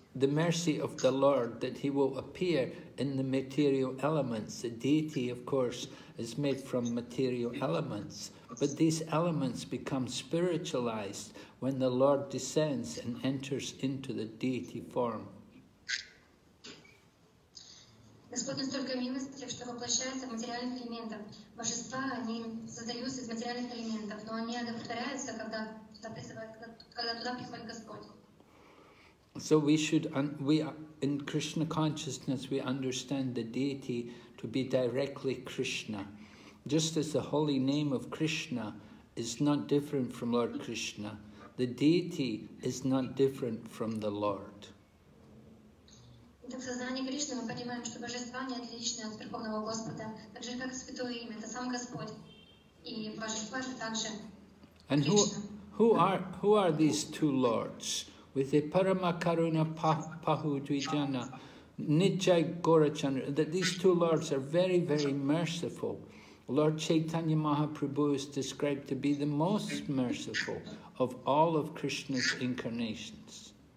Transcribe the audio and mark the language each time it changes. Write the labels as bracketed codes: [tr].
[en] the mercy of the Lord, that he will appear in the material elements. The deity, of course, is made from material elements, but these elements become spiritualized when the Lord descends and enters into the deity form. [ru] Господь настолько милостив, что воплощается в материальных элементах. Божества, они создаются из материальных элементов, но они одобряются, когда туда приходит Господь. [en] So we should, we in Krishna consciousness, we understand the deity to be directly Krishna. Just as the holy name of Krishna is not different from Lord Krishna, the deity is not different from the Lord. [ru] Так в сознании Кришны мы понимаем, что Божество не отлично от Верховного Господа, так же как Святое Имя, это сам Господь, и Божество же также Кришна. [en] And who are these two Lords? With the Paramakaruna Pahudvijana, Nitai Gaurachandra, that these two Lords are very, very merciful. Lord Chaitanya Mahaprabhu is described to be the most merciful of all of Krishna's incarnations.